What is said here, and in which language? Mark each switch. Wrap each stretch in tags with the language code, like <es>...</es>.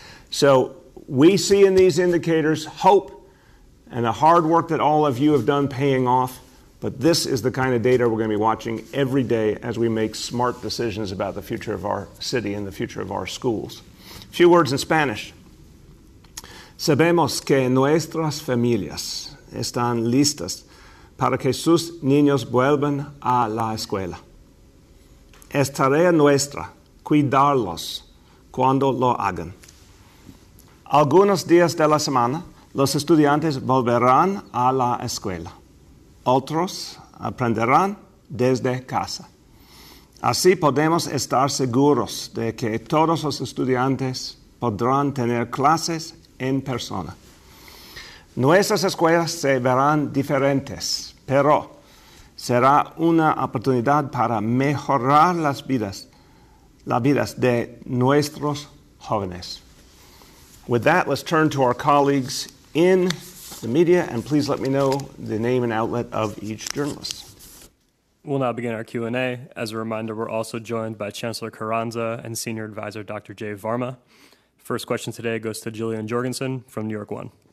<en>So we see in these indicators hope and the hard work that all of you have done paying off. But this is the kind of data we're going to be watching every day as we make smart decisions about the future of our city and the future of our schools. A few words in Spanish.</en> <es>Sabemos que nuestras familias están listas para que sus niños vuelvan a la escuela. Es tarea nuestra cuidarlos cuando lo hagan. Algunos días de la semana, los estudiantes volverán a la escuela. Otros aprenderán desde casa. Así podemos estar seguros de que todos los estudiantes podrán tener clases en persona. Nuestras escuelas se verán diferentes, pero será una oportunidad para mejorar las vidas de nuestros jóvenes.</es> <en>With that, let's turn to our colleagues in the media, and please let me know the name and outlet of each journalist. We'll now begin our Q&A. As a reminder, we're also joined by Chancellor Carranza and Senior Advisor Dr. Jay Varma. First question today goes to Jillian Jorgensen from New York One.</en>